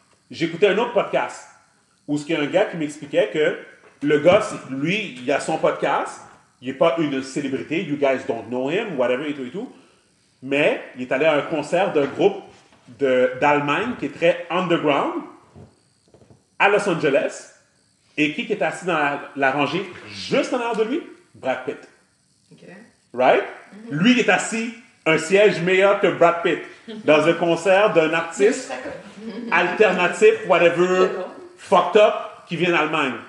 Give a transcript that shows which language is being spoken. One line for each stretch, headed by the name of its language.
French: J'écoutais un autre podcast où il y a un gars qui m'expliquait que le gars, lui, il a son podcast. Il n'est pas une célébrité.
English: You guys don't know him, whatever,
French: et tout, et tout. Mais il est allé à un concert d'un groupe d'Allemagne qui est très underground à Los Angeles. Et qui est assis dans la rangée juste en arrière de lui? Brad Pitt.
English: Okay. Right? Mm-hmm.
French: Lui, il est assis un siège meilleur que Brad Pitt dans un concert d'un artiste alternatif, whatever, fucked up, qui vient d'Allemagne.